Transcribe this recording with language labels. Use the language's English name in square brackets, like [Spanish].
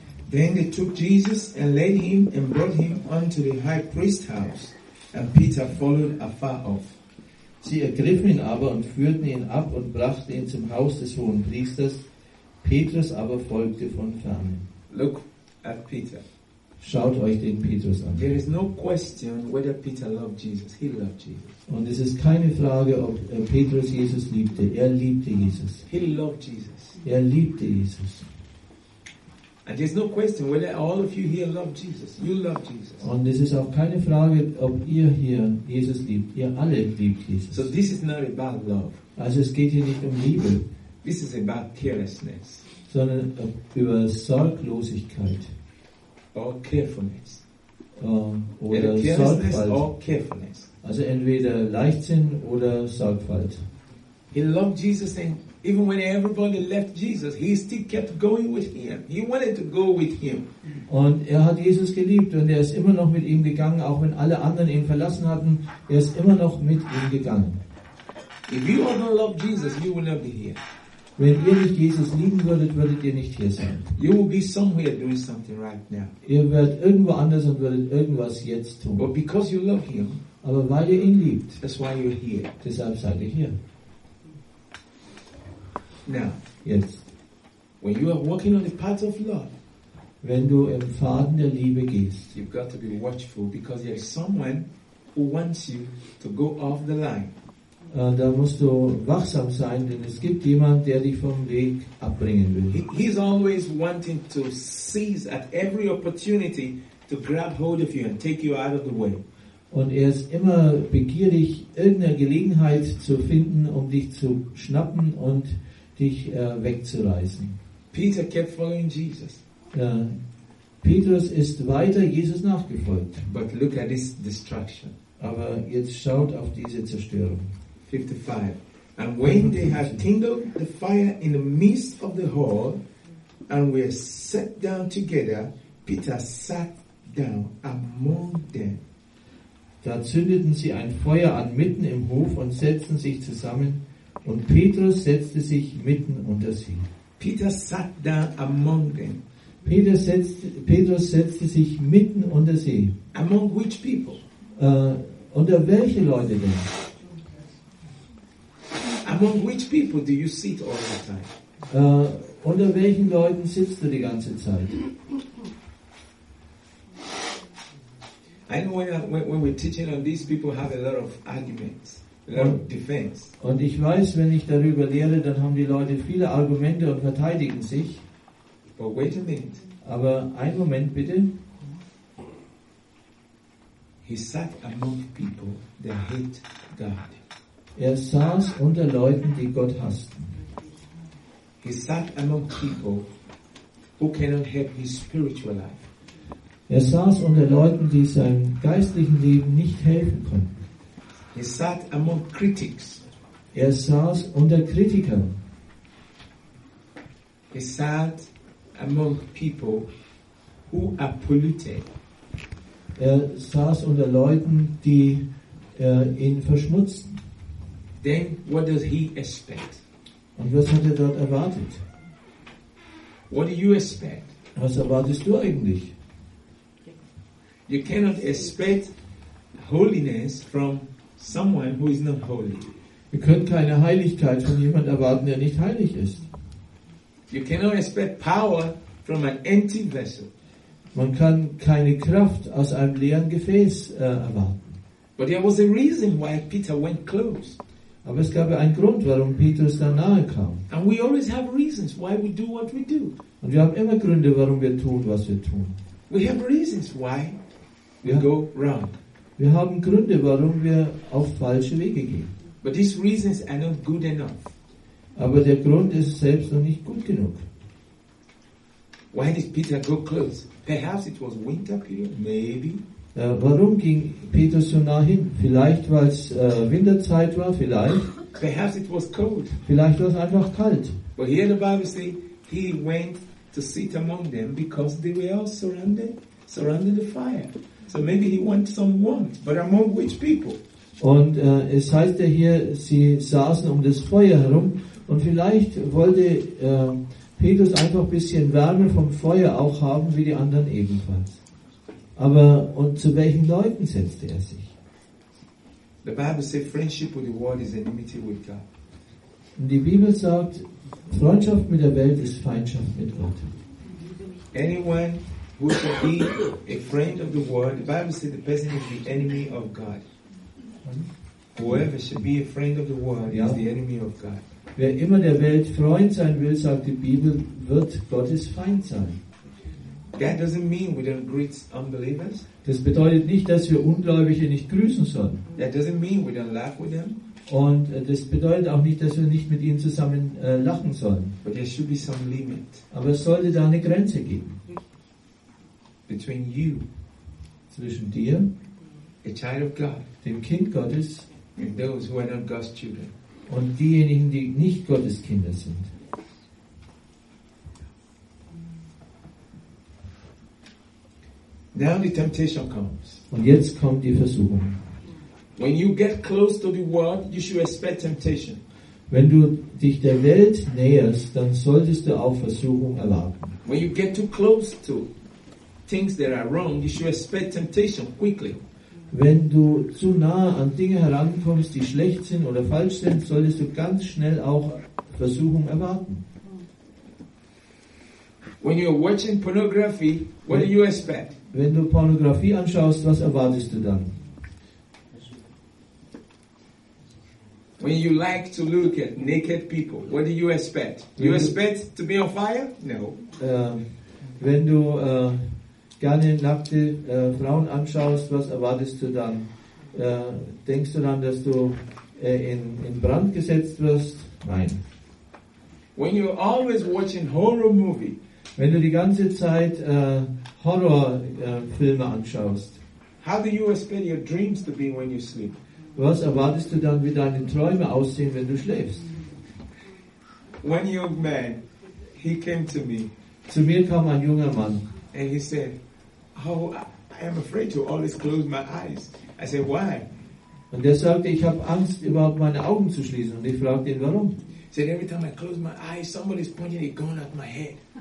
[English] Then they took Jesus and led him and brought him unto the high priest's house, and Peter followed afar off. [German] Sie ergriffen ihn aber und führten ihn ab und brachten ihn zum Haus des hohen Priesters. Petrus aber folgte von ferne. [English] Look at Peter. [German] Schaut euch den Petrus an. [English] There is no question whether Peter loved Jesus. He loved Jesus. [German] Und es ist keine Frage, ob Petrus Jesus liebte. Er liebte Jesus. [English] He loved Jesus. [German] Er liebte Jesus. [English] And there's no question whether all of you here love Jesus. You love Jesus. [German] Und es ist auch keine Frage, ob ihr hier Jesus liebt. Ihr alle liebt Jesus. [English] So this is not about love. [German] Also es geht hier nicht Liebe. [English] This is about carelessness. [German] Sondern über Sorglosigkeit. [English] Or carefulness. [German] Oder Sorgfalt. [English] Or carefulness. [German] Also entweder Leichtsinn oder Sorgfalt. [English] He loved Jesus and even when everybody left Jesus, he still kept going with him. He wanted to go with him. [German] Und hat Jesus geliebt und ist immer noch mit ihm gegangen, auch wenn alle anderen ihn verlassen hatten, ist immer noch mit ihm gegangen. [English] If you all don't love Jesus, you will not be here. [German] Wenn nicht Jesus lieben würdet, würdet nicht hier sein. [English] You will be somewhere doing something right now. [German] Werdet irgendwo anders und würdet irgendwas jetzt tun. [English] But because you love him, [German] aber weil ihn liebt, [English] that's why you're here. [German] Deshalb seid ihr hier. [English] Now, yes. When you are walking on the path of love, [German] wenn du im Faden der Liebe gehst, [English] you've got to be watchful because there is someone who wants you to go off the line. [German] Da musst du wachsam sein, denn es gibt jemand, der dich vom Weg abbringen will. [English] He's always wanting to seize at every opportunity to grab hold of you and take you out of the way. [German] Und ist immer begierig, irgendeine Gelegenheit zu finden, dich zu schnappen und dich wegzureißen. [English] Peter kept following Jesus. [German] Petrus ist weiter Jesus nachgefolgt. [English] But look at this destruction. [German] Aber jetzt schaut auf diese Zerstörung. 55. [English] And when they had kindled the fire in the midst of the hall and were set down together, Peter sat down among them. [German] Da zündeten sie ein Feuer an mitten im Hof und setzten sich zusammen. Und Petrus setzte sich mitten unter sie. [English] Peter sat down among them. [German] Petrus setzte sich mitten unter sie. [English] Among which people? [German] Unter welche Leute denn? [English] Among which people do you sit all the time? [German] Unter welchen Leuten sitzt du die ganze Zeit? [English] I know when we're teaching on these people have a lot of arguments. [German] Und ich weiß, wenn ich darüber lehre, dann haben die Leute viele Argumente und verteidigen sich. [English] But wait a minute. [German] Aber einen Moment bitte. [English] He sat among people that hate God. [German] Er saß unter Leuten, die Gott hassten. [English] He sat among people who who cannot have his spiritual life. [German] Er saß unter Leuten, die seinem geistlichen Leben nicht helfen konnten. [English] He sat among critics. [German] Er saß unter Kritikern. [English] He sat among people who are polluted. [German] Er saß unter Leuten, die ihn verschmutzten. [English] Then what does he expect? [German] Und was hat er dort erwartet? [English] What do you expect? [German] Was erwartest du eigentlich? [English] You cannot expect holiness from someone who is not holy. [German] Wir können keine Heiligkeit von jemandem erwarten, der nicht heilig ist. [English] You cannot expect power from an empty vessel. [German] Man kann keine Kraft aus einem leeren Gefäß erwarten. [English] But there was a reason why Peter went close. [German] Aber es gab einen Grund, warum Petrus da nahe kam. [English] And we always have reasons why we do what we do. [German] Und wir haben immer Gründe, warum wir tun, was wir tun. [English] We have reasons why we go wrong. [German] Wir haben Gründe, warum wir auf falsche Wege gehen. [English] But these reasons are not good enough. [German] Aber der Grund ist selbst noch nicht gut genug. [English] Why did Peter go close? Perhaps it was winter period. Maybe. [German] Warum ging Petrus so nah hin? Vielleicht weil es Winterzeit war. Vielleicht. [English] Perhaps it was cold. [German] Vielleicht war es einfach kalt. [English] But here the Bible says he went to sit among them because they were all surrounded the fire. So maybe he wanted some warmth. But among which people? [German] Und es heißt ja hier, sie saßen um das Feuer herum. Und vielleicht wollte Petrus einfach ein bisschen Wärme vom Feuer auch haben, wie die anderen ebenfalls. Aber, und zu welchen Leuten setzte er sich? [English] The Bible says, friendship with the world is enmity with God. [German] Und die Bibel sagt, Freundschaft mit der Welt ist Feindschaft mit Gott. [English] Anyone who should be a friend of the world, the Bible says, the person is the enemy of God. Whoever should be a friend of the world is the enemy of God. [German] Wer immer der Welt Freund sein will, sagt die Bibel, wird Gottes Feind sein. [English] That doesn't mean we don't greet unbelievers. [German] Das bedeutet nicht, dass wir Ungläubige nicht grüßen sollen. [English] That doesn't mean we don't laugh with them. [German] Und das bedeutet auch nicht, dass wir nicht mit ihnen zusammen lachen sollen. [English] But there should be some limit. [German] Aber es sollte da eine Grenze geben. [English] Between you, [German] zwischen dir, [English] a child of God, [German] dem Kind Gottes, [English] and those who are not God's children. [German] Und diejenigen, die nicht Gottes Kinder sind. [English] Now the temptation comes. [German] Und jetzt kommt die Versuchung. [English] When you get close to the world, you should expect temptation. [German] Wenn du dich der Welt näherst, dann solltest du auch Versuchung erwarten. [English] When you get too close to things that are wrong, you should expect temptation quickly. [German] Wenn du zu nah an Dinge herankommst, die schlecht sind oder falsch sind, solltest du ganz schnell auch Versuchung erwarten. [English] When you're watching pornography, what do you expect? [German] Wenn du Pornografie anschaust, was erwartest du dann? [English] When you like to look at naked people, what do you expect? You expect to be on fire? No. [German] Wenn du gerne nackte Frauen anschaust, was erwartest du dann? Denkst du dann, dass du in Brand gesetzt wirst? Nein. [English] When you're always watching horror movie, [German] wenn du die ganze Zeit Horrorfilme anschaust, [English] how do you expect your dreams to be when you sleep? [German] Was erwartest du dann, wie deine Träume aussehen, wenn du schläfst? [English] One young man, he came to me. [German] Zu mir kam ein junger Mann. [English] And he said, oh, I am afraid to always close my eyes. I said, why? [German] Und er sagte, ich habe Angst, überhaupt meine Augen zu schließen. Und ich fragte ihn, warum? [English] He said, every time I close my eyes, somebody's pointing a gun at my head.